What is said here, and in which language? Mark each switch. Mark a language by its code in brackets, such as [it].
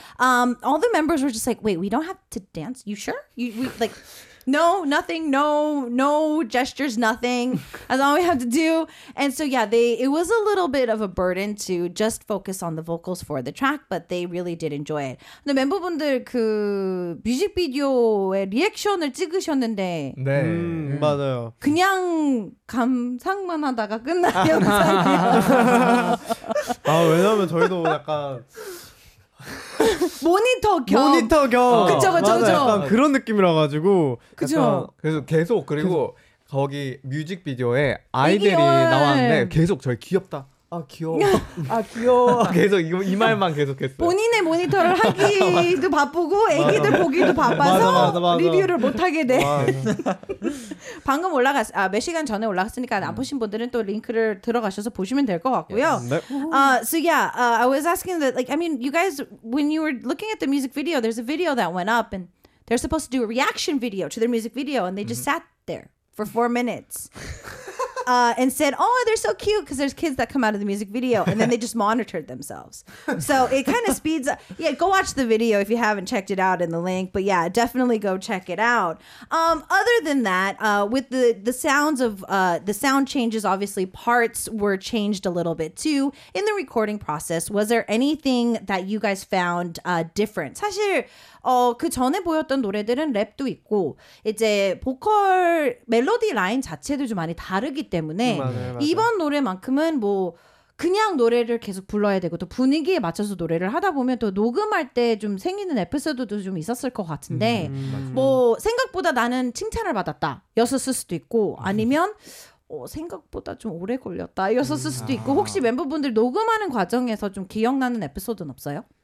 [en] All the members were just like, wait, we don't have to dance? You sure? We like, no, nothing, no gestures, nothing. That's all we have to do. And so, yeah, it was a little bit of a burden to just focus on the vocals for the track, but they really did enjoy it. [ko] 근데 멤버분들 그 뮤직비디오에 리액션을 찍으셨는데 네, 맞아요. 그냥 감상만 하다가 끝난 영상이에요. 아, 왜냐면 저희도 약간... 모니터 겸 그쵸 그쵸 그쵸 약간 그런 느낌이라 가지고 그쵸 그래서 계속 그리고 거기 뮤직비디오에 아이들이 나왔는데 계속 저희 귀엽다 아 귀여워 아 귀여워 계속 이 말만 계속했어요 본인의 모니터를 하기도 바쁘고 애기들 보기도 바빠서 맞아. 리뷰를 못하게 돼 방금 올라갔 아 몇 시간 전에 올라갔으니까 안 보신 분들은 또 링크를 들어가셔서 보시면 될 것 같고요 [en] so yeah I was asking that like I mean you guys when you were looking at the music video there's a video that went up and they're supposed to do a reaction video to their music video and they just sat there for 4 minutes and said, oh, they're so cute because there's kids that come out of the music video and then they just monitored themselves. So it kind of speeds up. Yeah, go watch the video if you haven't checked it out in the link. But yeah, definitely go check it out. Other than that, with the sounds of the sound changes, obviously parts were changed a little bit too in the recording process. Was there anything that you guys found different? [ko] 사실 그 전에 보였던 노래들은 랩도 있고 이제 보컬 멜로디 라인 자체도 좀 많이 다르기 때문에 맞아요, 이번 노래만큼은 뭐 그냥 노래를 계속 불러야 되고 또 분위기에 맞춰서 노래를 하다 보면 또 녹음할 때 좀 생기는 에피소드도 좀 있었을 것 같은데 뭐 생각보다 나는 칭찬을 받았다 였었을 수도 있고 아니면 생각보다 좀 오래 걸렸다 였었을 수도 있고 혹시 멤버분들 녹음하는 과정에서 좀 기억나는 에피소드는 없어요?